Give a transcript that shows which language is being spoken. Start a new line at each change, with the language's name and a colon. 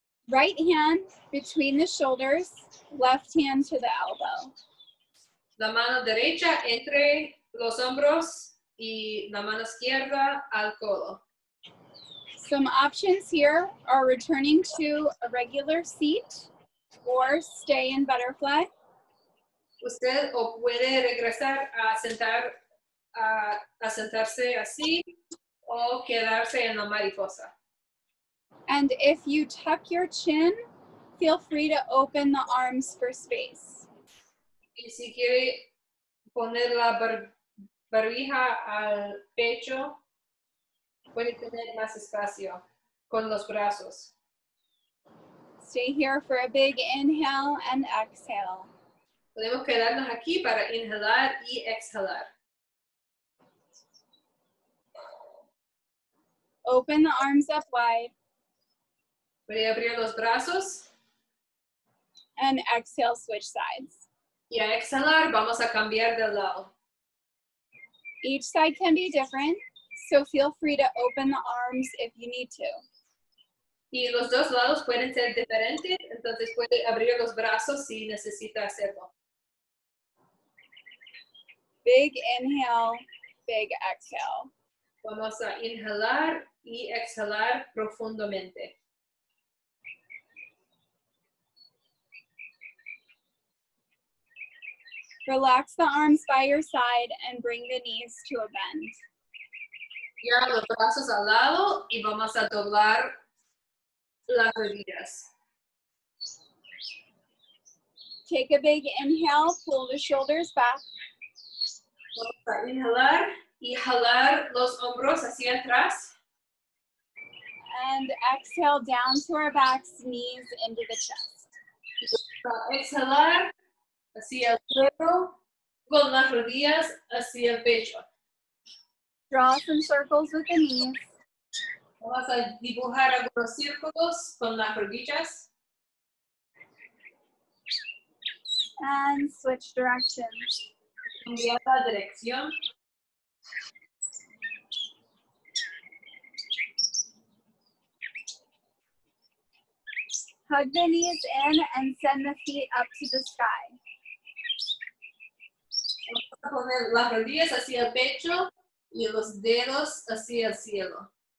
English: Right hand between the shoulders, left hand to the elbow.
Spanish: La mano derecha entre los hombros y la mano izquierda al codo.
English: Some options here are returning to a regular seat or stay in butterfly.
Spanish: Usted o puede regresar a sentarse así o quedarse en la mariposa.
English: And if you tuck your chin, feel free to open the arms for space.
Spanish: Y si quiere poner la barbija al pecho, puede tener más espacio con los brazos.
English: Stay here for a big inhale and exhale.
Spanish: Podemos quedarnos aquí para inhalar y exhalar.
English: Open the arms up wide.
Spanish: Puede abrir los brazos.
English: And exhale, switch sides.
Spanish: Y a exhalar, vamos a cambiar de lado.
English: Each side can be different, so feel free to open the arms if you need to.
Spanish: Y los dos lados pueden ser diferentes, entonces puede abrir los brazos si necesita hacerlo.
English: Big inhale, big exhale.
Spanish: Vamos a inhalar y exhalar profundamente.
English: Relax the arms by your side and bring the knees to a bend.
Spanish: Ya los brazos al lado y vamos a doblar las rodillas.
English: Take a big inhale, pull the shoulders back.
Spanish: Vamos a inhalar y jalar los hombros hacia atrás.
English: And exhale down to our backs, knees into the chest.
Spanish: Exhalar. Hacia el cuerpo, con las rodillas, hacia el pecho.
English: Draw some circles with the knees.
Spanish: Vamos a dibujar algunos círculos con las rodillas.
English: And switch directions.
Spanish: Cambiar la dirección.
English: Hug the knees in and send the feet up to the sky.
Spanish: Poner las rodillas hacia el pecho y los dedos hacia el cielo.